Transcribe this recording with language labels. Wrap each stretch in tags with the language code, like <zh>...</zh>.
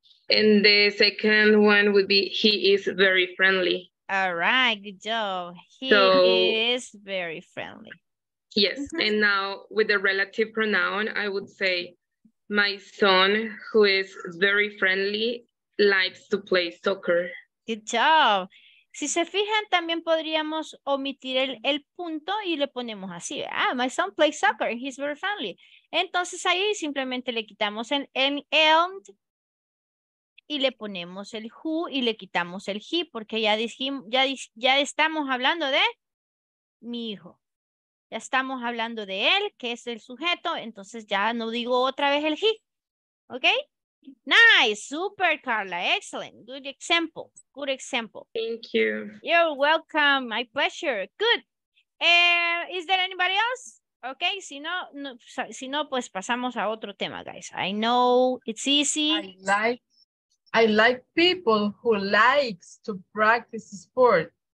<en>And the second one would be, he is very friendly. All right, good job. He is very friendly. Yes, mm-hmm. And now with the relative pronoun, I would say, my son, who is very friendly, likes to play soccer. Good job.</en> <es>Si se fijan, también podríamos omitir el punto y le ponemos así.</es> <en>Ah, my son plays soccer and he's very friendly.</en> <es>Entonces ahí simplemente le quitamos el and y le ponemos el who y le quitamos el he, porque ya estamos hablando de mi hijo. Ya estamos hablando de él, que es el sujeto. Entonces ya no digo otra vez el he.</es> <en>¿Ok? Nice. Super, Carla. Excellent. Good example. Good example. Thank you. You're welcome. My pleasure. Good. Is there anybody else? Okay.</en> <es>Si no, pues pasamos a otro tema, guys.</es> <en>I know it's easy. I like people who likes to practice sport.</en>